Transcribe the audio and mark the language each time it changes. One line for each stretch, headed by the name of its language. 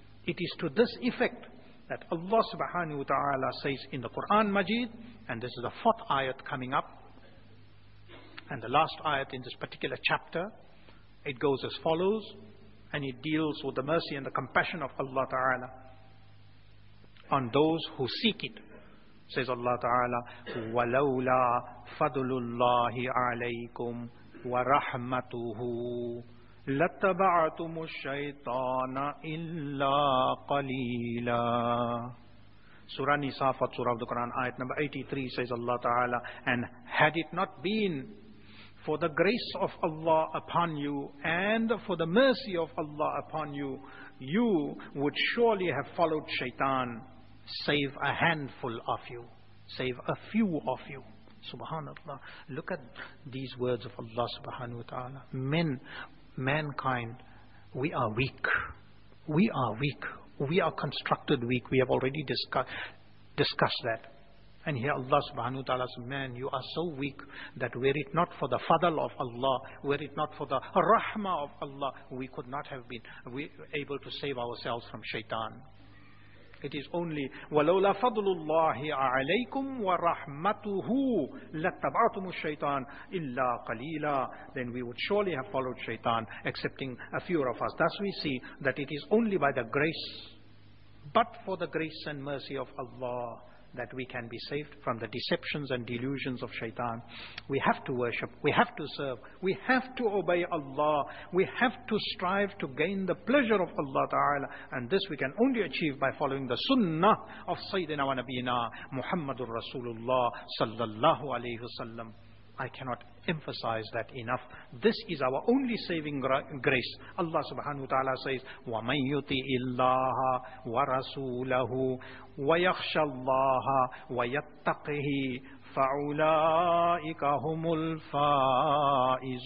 English: It is to this effect that Allah subhanahu wa ta'ala says in the Quran Majid, and this is the fourth ayat coming up, and the last ayat in this particular chapter, it goes as follows, and it deals with the mercy and the compassion of Allah Ta'ala on those who seek it.
Arabic: Says Allah Ta'ala, وَلَوْلَا فَضُلُ اللَّهِ عَلَيْكُمْ وَرَحْمَتُهُ لَتَّبَعْتُمُ الشَّيْطَانَ إِلَّا قَلِيلًا.
English: Surah Nisafat, Surah of the Quran, ayat number 83, says Allah Ta'ala, and had it not been for the grace of Allah upon you and for the mercy of Allah upon you, you would surely have followed shaitan, save a handful of you, save a few of you. Subhanallah. Look at these words of Allah subhanahu wa ta'ala. Mankind, we are weak. We are weak. We are constructed weak. We have already discussed that. And here Allah subhanahu wa ta'ala says, man, you are so weak that were it not for the fadl of Allah, were it not for the rahmah of Allah, we could not have been able to save ourselves from shaitan. It is only
Arabic: وَلَوْلَا فَضْلُ اللَّهِ عَلَيْكُمْ وَرَحْمَتُهُ لَتَّبَعْتُمُ الشَّيْطَانِ إِلَّا قَلِيلًا.
English: Then we would surely have followed shaitan, excepting a few of us. Thus we see that it is only by the grace, but for the grace and mercy of Allah, that we can be saved from the deceptions and delusions of shaitan. We have to worship, we have to serve, we have to obey Allah, we have to strive to gain the pleasure of Allah Ta'ala, and this we can only achieve by following the sunnah of Sayyidina wa Nabina Muhammadur Rasulullah sallallahu alayhi wa sallam. I cannot emphasize that enough. This is our only saving grace. Allah subhanahu wa ta'ala says,
Arabic: وَمَنْ يُطِئِ اللَّهَ وَرَسُولَهُ وَيَخْشَ اللَّهَ وَيَتَّقِهِ فَعُلَائِكَ هُمُ الْفَائِزُونَ.